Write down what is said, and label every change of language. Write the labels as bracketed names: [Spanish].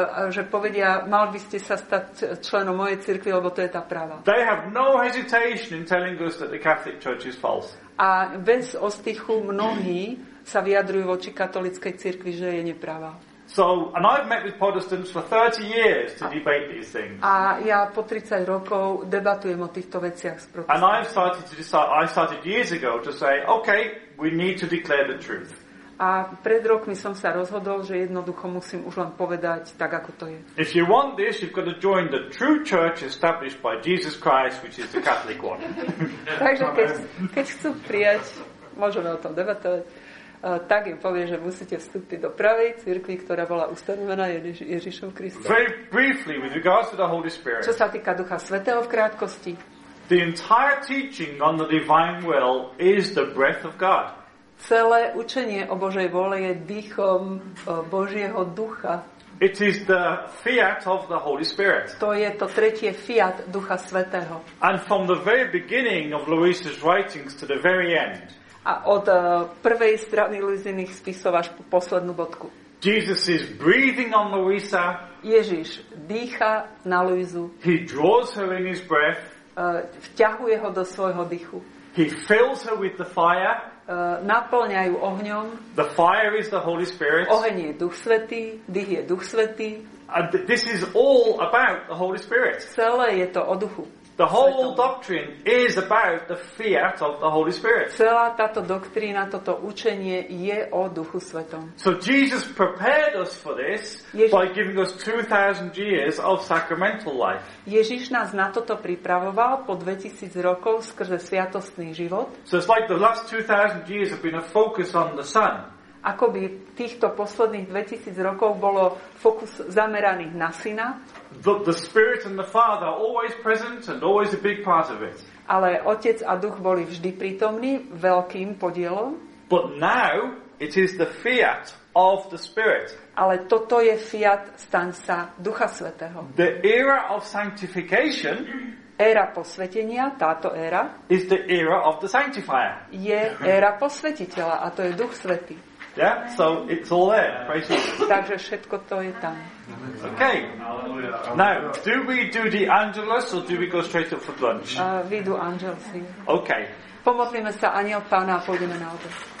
[Slovak] Že povedia, mal by ste sa stať členom mojej cirkvi, lebo to je tá pravá. [English] They have no hesitation in telling us that the Catholic Church is false. [Slovak] A bez ostychu mnohí sa vyjadrujú voči katolíckej cirkvi, že je nepravá. [English] So, and I've met with Protestants for 30 years to debate these things. [Slovak] A ja po 30 rokov debatujem o týchto veciach s protestantmi. [English] And I started years ago to say, okay, we need to declare the truth. [Slovak] A pred rokmi som sa rozhodol, že jednoducho musím už len povedať tak, ako to je. [English] If you want this, you've got to join the true church established by Jesus Christ, which is the Catholic one. [Slovak] Takže keď chcú prijať, môžeme o tom debatovať, tak im poviem, že musíte vstúpiť do pravej cirkvi, ktorá bola ustanovená Ježišom Kristom. [English] Very briefly, with regards to the Holy Spirit. [Slovak] Čo sa týka Ducha Svätého v krátkosti. [English] The entire teaching on the divine will is the breath of God. [Slovak] Celé učenie o Božej vôle je dýchom Božieho ducha. [English] It is the fiat of the Holy Spirit. [Slovak] To je to tretie fiat Ducha Svätého. [English] And from the very beginning of Luisa's writings to the very end. [Slovak] A od prvej strany Luisiných spisov až po poslednú bodku. [English] Jesus is breathing on Luisa. [Slovak] Ježiš dýcha na Luisu. [English] He draws her in his breath. [Slovak] Vťahuje ho do svojho dýchu. [English] He fills her with the fire. [Slovak] Naplňajú ohňom. [English] The fire is the Holy Spirit. [Slovak] Oheň je Duch Svätý, dých je Duch Svätý. [English] And this is all about the Holy Spirit. [Slovak] Celé je to o Duchu. [English] The whole doctrine is about the fiat of the Holy Spirit. [Slovak] Celá táto doktrína, toto učenie je o Duchu Svätom. [English] So Jesus prepared us for this by giving us 2000 years of sacramental life. [Slovak] Ježiš nás na toto pripravoval po 2000 rokov skrze sviatostný život. [English] So it's like the last 2000 years have been a focus on the Son. [Slovak] Akoby týchto posledných 2000 rokov bolo fokus zameraný na Syna. [English] The Spirit and the Father are always present and always a big part of it. [Slovak] Ale Otec a Duch boli vždy prítomní veľkým podielom. [English] But now it is the fiat of the Spirit. [Slovak] Ale toto je fiat, staň sa, Ducha Svätého. [English] The era of sanctification, [Slovak] éra posvetenia, táto éra, [English] is the era of the sanctifier. [Slovak] Je éra posvetiteľa a to je Duch Svätý. [English] Yeah, so it's all there. Praise God. [Slovak] Takže všetko to je tam. [English] Okay. Now, do we do the Angelus or do we go straight up for lunch? We do Angelus. Okay. [Slovak] Pomodlíme sa Anjel Pána a pôjdeme na obed.